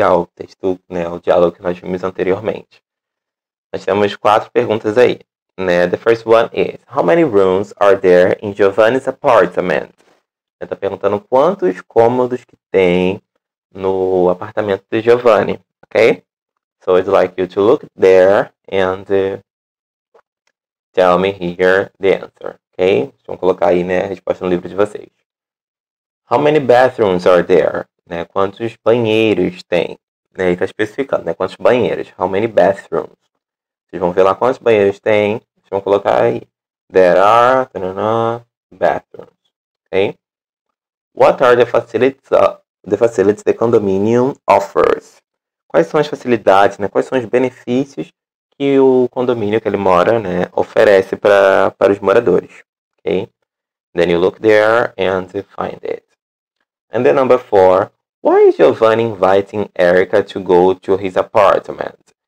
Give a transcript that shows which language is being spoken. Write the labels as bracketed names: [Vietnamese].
[Portuguese] Ao texto, né? Ao diálogo que nós vimos anteriormente. Nós temos quatro perguntas aí, né? [English] The first one is, how many rooms are there in Giovanni's apartment? [Portuguese] Está perguntando quantos cômodos que tem no apartamento de Giovanni, ok? [English] So, I'd like you to look there and tell me here the answer, ok? [Portuguese] Vamos colocar aí, né, a resposta no livro de vocês. [English] How many bathrooms are there? [Portuguese] Né, quantos banheiros tem? Né, ele está especificando, né, quantos banheiros? [English] How many bathrooms? [Portuguese] Vocês vão ver lá quantos banheiros tem. Vamos colocar aí. [English] There are tanana, bathrooms, ok? What are the facilities the condominium offers? [Portuguese] Quais são as facilidades, né? Quais são os benefícios que o condomínio que ele mora, né, oferece para os moradores, ok? [English] Then you look there and find it. And then number four, why is Giovanni inviting Erica to go to his apartment?